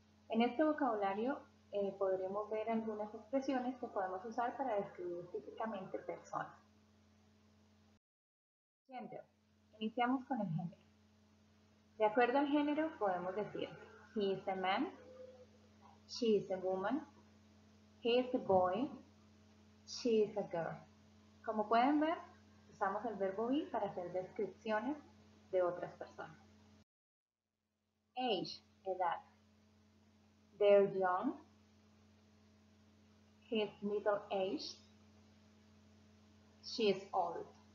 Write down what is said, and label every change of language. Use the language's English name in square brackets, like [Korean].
[Spanish] En este vocabulario podremos ver algunas expresiones que podemos usar para describir físicamente personas. Gender. Iniciamos con el género. De acuerdo al género, podemos decir [English] he is a man, she is a woman, he is a boy, she is a girl. [Spanish] Como pueden ver, usamos el verbo be para hacer descripciones de otras personas. [English] Age, edad. They're young. He's middle aged. She's old.